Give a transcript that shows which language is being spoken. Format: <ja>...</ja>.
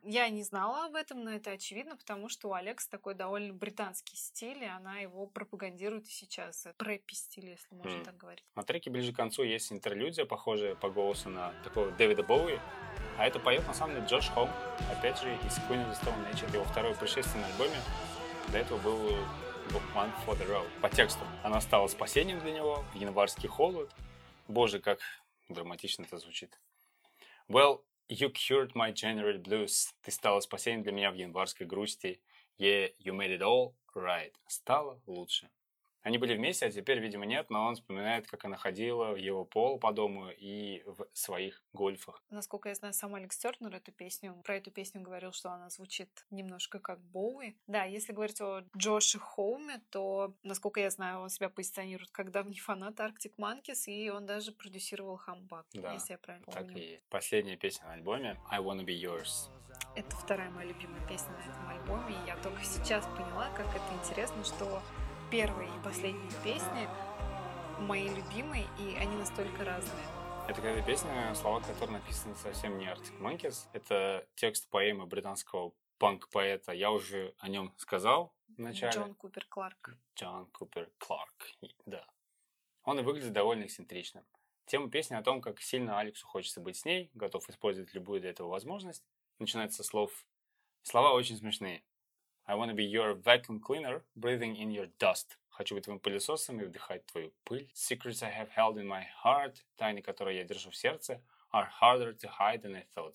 <ru>Я не знала об этом, но это очевидно, потому что у Алекса такой довольно британский стиль, и она его пропагандирует сейчас. Преппи стиль, если можно так говорить. На треке ближе к концу есть интерлюдия, похожая по голосу на такого Дэвида Боуи, а это поет на самом деле Джош Холм, опять же, из Queen of the Stone Age, его второе пришествие на альбоме. До этого был Book One for the Road. По тексту. Она стала спасением для него в январский холод. Боже, как драматично это звучит.</ru> <en>Well, you cured my January blues.</en> <ru>Ты стала спасением для меня в январской грусти.</ru> <en>Yeah, you made it all right.</en> <ru>Стало лучше. Они были вместе, а теперь, видимо, нет, но он вспоминает, как она ходила в его пол по дому и в своих гольфах. Насколько я знаю, сам Алекс Тёрнер про эту песню говорил, что она звучит немножко как Боуи. Да, если говорить о Джоше Холме, то, насколько я знаю, он себя позиционирует как давний фанат Arctic Monkeys, и он даже продюсировал Humbug, да, если я правильно так помню. Так и есть. Последняя песня на альбоме I Wanna Be Yours. Это вторая моя любимая песня на этом альбоме, и я только сейчас поняла, как это интересно, что первые и последние песни мои любимые, и они настолько разные. Это какая-то песня, слова которой написаны совсем не Arctic Monkeys. Это текст поэмы британского панк-поэта. Я уже о нем сказал в начале. Джон Купер Кларк, да. Он и выглядит довольно эксцентричным. Тема песни о том, как сильно Алексу хочется быть с ней, готов использовать любую для этого возможность. Начинается со слов. Слова очень смешные.</ru> <en>I want to be your vacuum cleaner, breathing in your dust.</en> <ru>Хочу быть твоим пылесосом и вдыхать твою пыль.</ru> <en>Secrets I have held in my heart,</en> <ru>тайны, которые я держу в сердце,</ru> <en>are harder to hide than I thought.</en>